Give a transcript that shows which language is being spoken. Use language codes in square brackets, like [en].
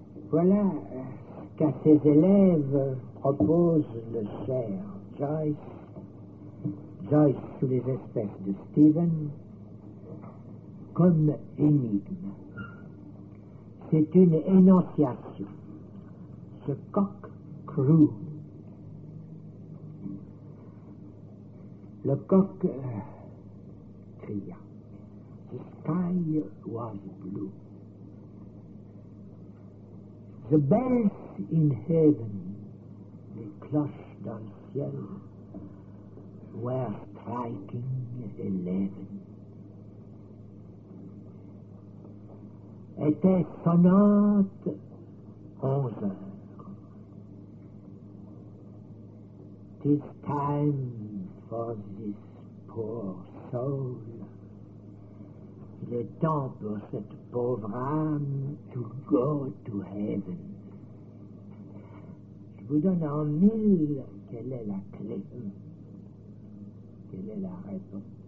[fr] Voilà qu'à ses élèves propose le cher Joyce sous les espèces de Stephen, comme énigme. C'est une énonciation, ce coq crou. Le coq cria, [en] the sky was blue. The bells in heaven, [fr] les cloches dans le ciel, [en] were striking 11. [fr] Était sonnante 11 heures. [en] Tis time for this poor soul. [fr] Il est temps pour cette pauvre âme [en] to go to heaven. [fr] Je vous donne en mille quelle est la clé. Quelle est la réponse?